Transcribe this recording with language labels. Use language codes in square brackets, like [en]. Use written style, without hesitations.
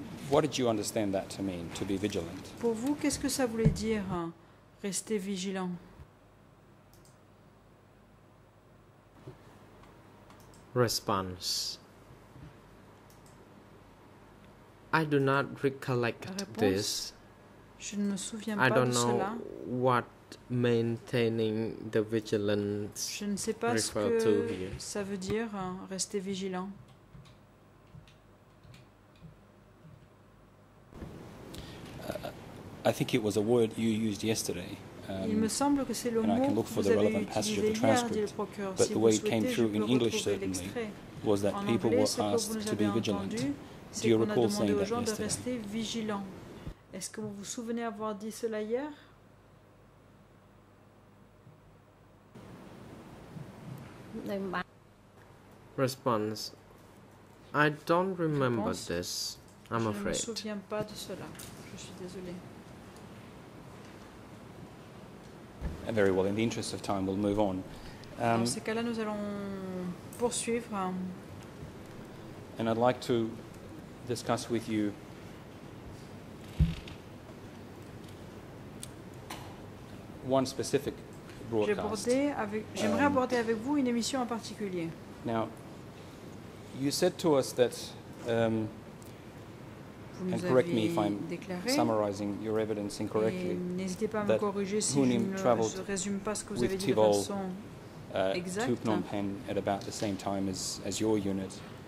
[en] What did you understand that to mean, to be vigilant? [fr] Pour vous, qu'est-ce que ça voulait dire, rester vigilant? [en] Response. I do not recollect this. [fr] Je ne me souviens pas de cela. [en] What maintaining the vigilance [fr] je ne sais pas ce que ça veut dire rester vigilant. [en] I think it was a word you used yesterday. [fr] Il me semble que c'est le mot que vous avez utilisé hier, dit le procureur. [en] But the way it came through in English certainly was that people were asked to be vigilant. Do you recall saying that yesterday? [fr] De rester vigilant. Est-ce que vous vous souvenez avoir dit cela hier? [en] Response. I don't remember this, I'm afraid. [fr] Je ne me souviens pas de cela. Je suis désolé. [en] Very well, in the interest of time, we'll move on. [fr] Dans ces cas-là, nous allons poursuivre. [en] And I'd like to discuss with you one specific broadcast. [fr] J'aimerais aborder avec vous une émission en particulier. [en] Now, you said to us that, and correct me if I'm summarizing your evidence incorrectly, [fr] n'hésitez pas à me corriger si je ne résume pas ce que vous avez dit de façon exacte, [en] to Phnom Penh at about the same time as your unit,